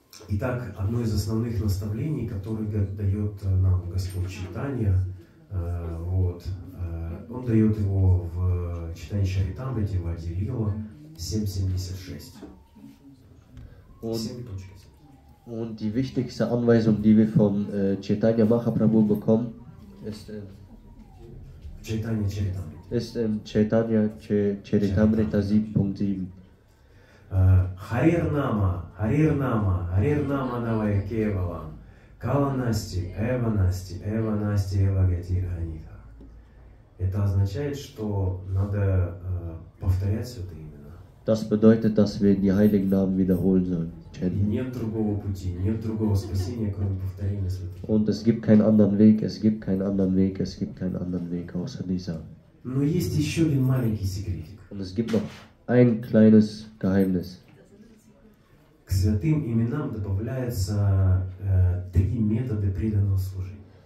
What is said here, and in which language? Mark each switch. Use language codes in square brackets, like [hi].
[ru] Итак, одно из основных наставлений, которое дает нам Господь Чайтанья, вот, он дает его в Чайтанья Чаритамрите, в Ади Лила 7.76. [de] Und die wichtigste Anweisung, die wir von Chaitanya Mahaprabhu bekommen, ist im Chaitanya Charitamrita 7.7. [sa] Харир нама давай кевалам, каванасти, эвагати ганита. [ru] Это означает, что надо повторять святые имена. [de] Das bedeutet, dass wir die heiligen Namen wiederholen sollen. [ru] И нет другого пути, нет другого спасения, кроме повторения святых. [de] Und es gibt keinen anderen Weg außer dieser. [ru] Но есть еще один маленький секретик. [de] Und es gibt noch ein kleines Geheimnis. [ru] К святым именам добавляются три метода преданного служения.